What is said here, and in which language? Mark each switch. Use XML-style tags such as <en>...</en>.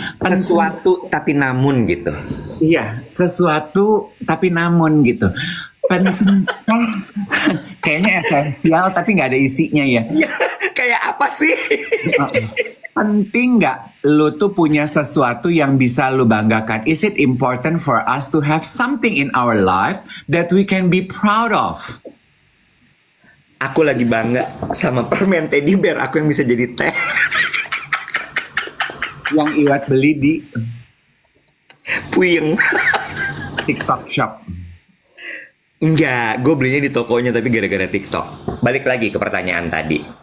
<id>Sesuatu tapi namun gitu. Iya, sesuatu tapi namun gitu. Penting. Kayaknya esensial tapi nggak ada isinya ya. Ya. Kayak apa sih? Penting nggak lu tuh punya sesuatu yang bisa lu banggakan?</id> <en>Is it important for us to have something in our life that we can be proud of?</en> <id>Aku lagi bangga sama permen teddy bear aku yang bisa jadi teh. Yang Iwet beli di Puyeng TikTok shop. Enggak, gue belinya di tokonya tapi gara-gara TikTok. Balik lagi ke pertanyaan tadi.</id>